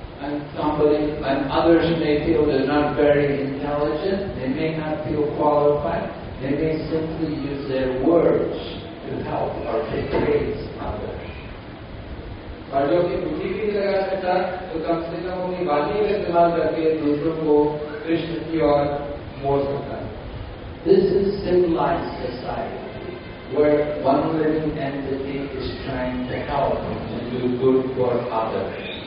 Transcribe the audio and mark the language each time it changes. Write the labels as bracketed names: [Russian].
[English] And somebody, and others may feel they're not very intelligent, they may not feel qualified, they may simply use their words to help or to praise others. [Hindi] और जो अपनी बुद्धि भी लगा सकता तो कम से कम अपनी वाणी का इस्तेमाल करके दूसरों को कृष्ण की ओर मोड़ सकता है. [English] This is civilized society where one living entity is trying to help to do good for others.